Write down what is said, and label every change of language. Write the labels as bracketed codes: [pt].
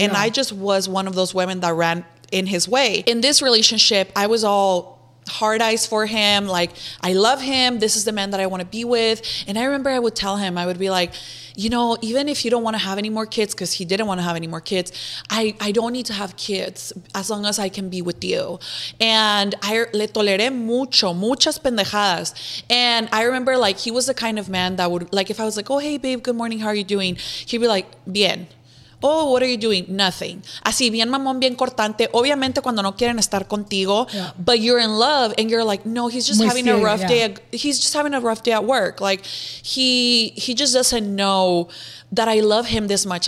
[en] And I just was one of those women that ran in his way. In this relationship, I was all hard eyes for him, like, I love him, this is the man that I want to be with. And I remember I would tell him, I would be like, you know, even if you don't want to have any more kids, because he didn't want to have any more kids, I don't need to have kids as long as I can be with you. And I [es] le toleré mucho, muchas pendejadas. [en] And I remember, like, he was the kind of man that would, like, if I was like, oh, hey babe, good morning, how are you doing, he'd be like, [es] bien. [en] Oh, what are you doing? Nothing. [es] Así, bien mamón, bien cortante. Obviamente, cuando no quieren estar contigo, [en] but you're in love and you're like, no, he's just having a rough day. He's just having a rough day at work. Like, he just doesn't know that I love him this much.